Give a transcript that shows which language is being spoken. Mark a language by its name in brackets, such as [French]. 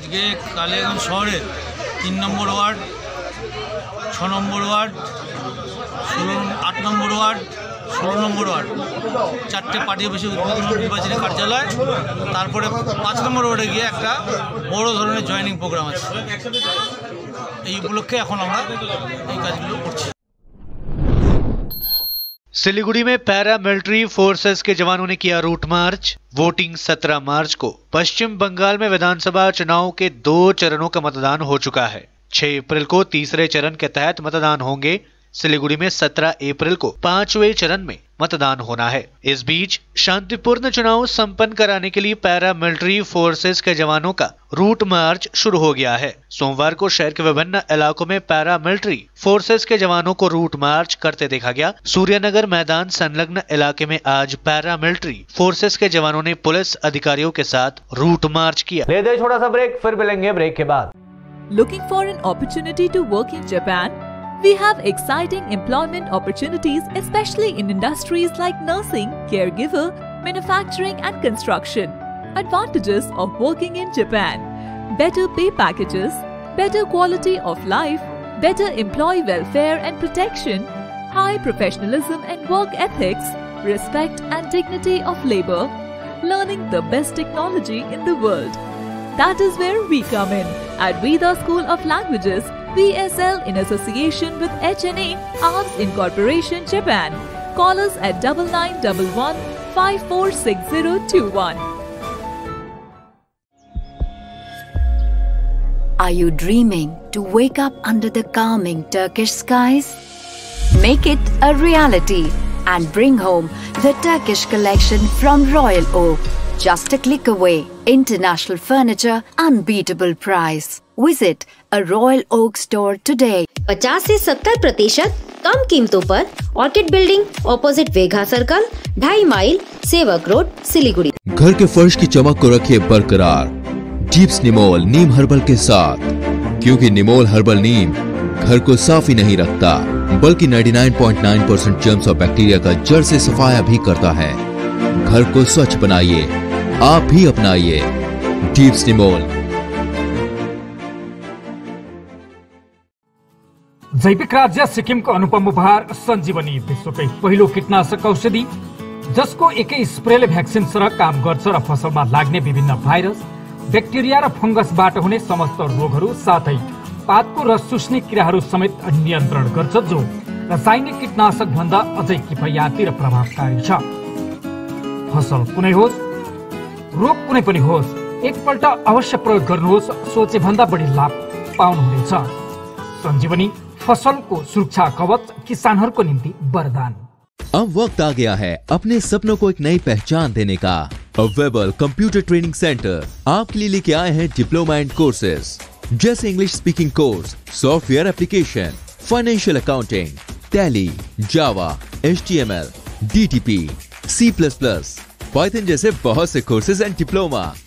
[Bangla] আজকে কালিয়াগঞ্জ শহরে 3 নম্বর ওয়ার্ড, 6 নম্বর ওয়ার্ড, 8 নম্বর ওয়ার্ড, ষোলো নম্বর ওয়ার্ড চারটে পার্টি অফিসের উদ্বোধন নির্বাচনী কার্যালয়, তারপরে পাঁচ নম্বর ওয়ার্ডে গিয়ে একটা বড় ধরনের জয়েনিং প্রোগ্রাম আছে। এই উপলক্ষে এখন আমরা এই কাজগুলো করছি। [Hindi] सिलीगुड़ी में पैरा मिलिट्री फोर्सेस के जवानों ने किया रूट मार्च, वोटिंग 17 मार्च को। पश्चिम बंगाल में विधानसभा चुनाव के दो चरणों का मतदान हो चुका है। 6 अप्रैल को तीसरे चरण के तहत मतदान होंगे। सिलीगुड़ी में 17 अप्रैल को पांचवें चरण में मतदान होना है। इस बीच शांतिपूर्ण चुनाव संपन्न कराने के लिए पैरा मिलिट्री फोर्सेस के जवानों का रूट मार्च शुरू हो गया है। सोमवार को शहर के विभिन्न इलाकों में पैरा मिलिट्री फोर्सेस के जवानों को रूट मार्च करते देखा गया। सूर्यनगर मैदान संलग्न इलाके में आज पैरा मिलिट्री फोर्सेस के जवानों ने पुलिस अधिकारियों के साथ रूट मार्च किया। ले दे छोटा सा ब्रेक, फिर मिलेंगे ब्रेक के बाद। [English] Looking for an opportunity to work in Japan? We have exciting employment opportunities, especially in industries like nursing, caregiver, manufacturing and construction. Advantages of working in Japan: better pay packages, better quality of life, better employee welfare and protection, high professionalism and work ethics, respect and dignity of labor, learning the best technology in the world. That is where we come in. At Veda School of Languages, VSL in association with HNA Arms Incorporation Japan. Call us at 9911546021. Are you dreaming to wake up under the calming Turkish skies? Make it a reality and bring home the Turkish collection from Royal Oak. Just a click away. International furniture, unbeatable price. Visit a Royal Oak store today. [Hindi] 50-70% कम कीमतों पर orchid building opposite वेघा circle 2.5 mile सेवक road Siliguri. घर के फर्श की चमक को रखिए बरकरार डीप्स निमोल नीम हर्बल के साथ, क्योंकि निमोल हर्बल नीम घर को साफ ही नहीं रखता बल्कि 99.9% जर्म्स और बैक्टीरिया का जड़ से सफाया भी करता है। घर को स्वच्छ बनाइए, आप भी अपनाइए डीप्स निमोल। [Nepali] जैविक राज्य सिक्किम को अनुपम उपहार संजीवनी विश्वक पहिलो कीटनाशक औषधि, जिसको एक स्प्रेले भैक्सिन सर काम कर फसल में लगने विभिन्न भाइरस बैक्टीरिया फंगस बाट होने समस्त रोग पात को रस चुस्ने क्रिया समेत नियंत्रण कर जो रासायनिक कीटनाशक भन्दा अज किफायती प्रभावकारी। फसल कुनै होस् रोग कुनै पनि होस् एकपल्ट अवश्य प्रयोग गर्नुहोस्, सोचे भन्दा बढी लाभ पाउनुहुनेछ। संजीवनी फसल को सुरक्षा कवच किसानहरुको निम्ति वरदान। [Hindi] अब वक्त आ गया है अपने सपनों को एक नई पहचान देने का। अवेबल कंप्यूटर ट्रेनिंग सेंटर आपके लिए लेके आए हैं डिप्लोमा एंड कोर्सेज, जैसे English speaking course, software application, financial accounting, tally, जावा, HTML, DTP, C++, पाइथन जैसे बहुत से कोर्सेज एंड डिप्लोमा।